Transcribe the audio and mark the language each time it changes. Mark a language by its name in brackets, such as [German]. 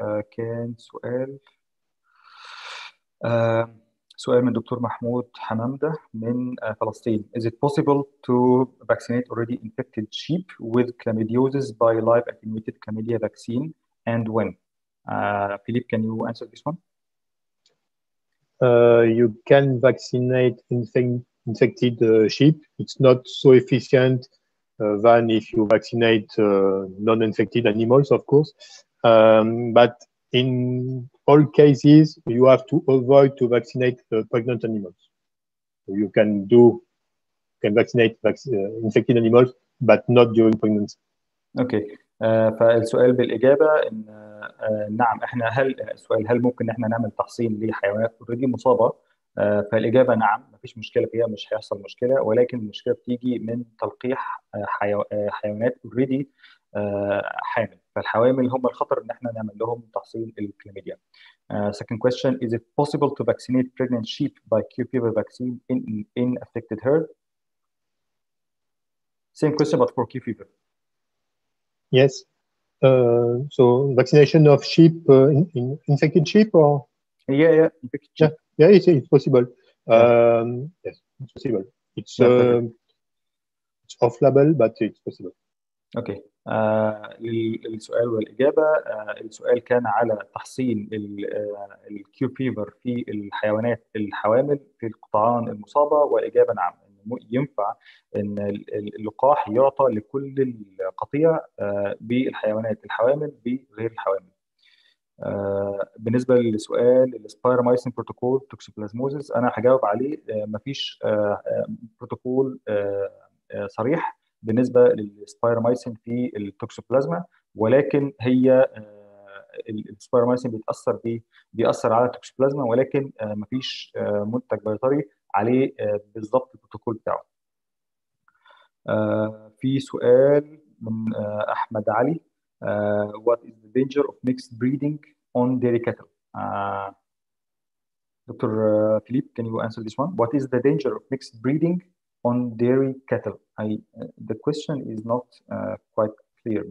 [Arabic] كان سؤال من دكتور محمود حمامدة من فلسطين. [English] Is it possible to vaccinate already infected sheep with chlamydiosis by live attenuated chlamydia vaccine and when? Philippe, can you answer this one? You can vaccinate infected sheep. It's not so efficient than if you vaccinate non-infected animals, of course. But in all cases, you have to avoid to vaccinate pregnant animals. You can vaccinate infected animals, but not during pregnancy. Okay. [Arabic] فالسؤال بالإجابة إن نعم إحنا هل ممكن إحنا نعمل تحصين لحيوانات اوريدي مصابة؟ فالإجابة نعم، مفيش مشكلة فيها، مش هيحصل مشكلة، ولكن المشكلة بتيجي من تلقيح حيوانات اوريدي حامل. فالحوامل هم الخطر ان احنا نعمل لهم تحصيل الكلاميديا. [English] Second question, is it possible to vaccinate pregnant sheep by QPV vaccine in affected herd? Same question but for QPV. Yes. So vaccination of sheep in infected sheep or? Yeah, it's possible. Yes, it's possible. It's, it's off label but it's possible. Okay. [Arabic] السؤال والإجابة، السؤال كان على تحصين الكيو فيفر في الحيوانات الحوامل في القطعان المصابة، وإجابة نعم، إن ينفع ان اللقاح يعطى لكل القطيع بالحيوانات الحوامل بغير الحوامل. بالنسبه للسؤال السبايرمايسين بروتوكول توكسوبلازموزس، انا هجاوب عليه مفيش بروتوكول صريح بالنسبه للسبايرمايسين في التوكسوبلازما، ولكن هي السبايرمايسين بيأثر على التوكسوبلازما، ولكن مفيش منتج بيطري عليه بالضبط البروتوكول بتاعه. في سؤال من أحمد علي، [English] What is the danger of mixed breeding on dairy cattle؟ Doctor Philip, can you answer this one؟ What is the danger of mixed breeding on dairy cattle؟ The question is not quite clear.